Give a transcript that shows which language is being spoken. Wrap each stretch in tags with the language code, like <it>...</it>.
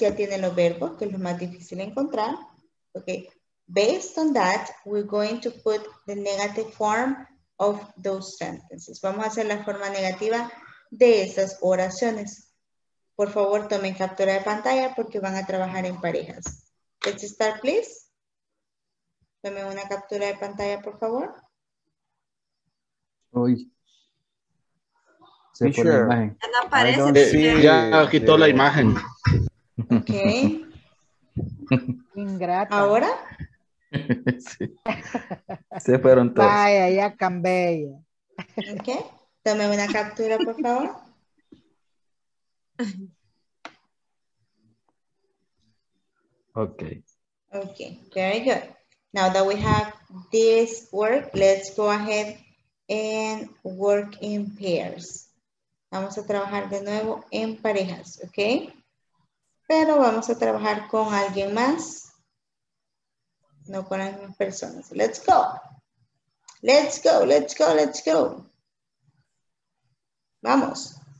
<es>Ya tienen los verbos, que es lo más difícil encontrar.</es> <en>Okay. Based on that, we're going to put the negative form of those sentences.</en> <es>Vamos a hacer la forma negativa de esas oraciones. Por favor, tomen captura de pantalla porque van a trabajar en parejas. Let's start, please. Tomen una captura de pantalla, por favor. Uy. Se fue la imagen. Ya no aparece. Ya quitó la imagen.</es> <en>Ok.</en> <es>Ingrata. ¿Ahora? Sí. Se fueron todos. Vaya, ya cambié. Ok. Tome una captura, por favor.</es> <en>Okay. Okay, very good. Now that we have this work, let's go ahead and work in pairs.</en> <es>Vamos a trabajar de nuevo en parejas, okay? Pero vamos a trabajar con alguien más, no con las mismas personas.</es> <en>Let's go. Let's go, let's go, let's go.</en> <es>Vamos.</es>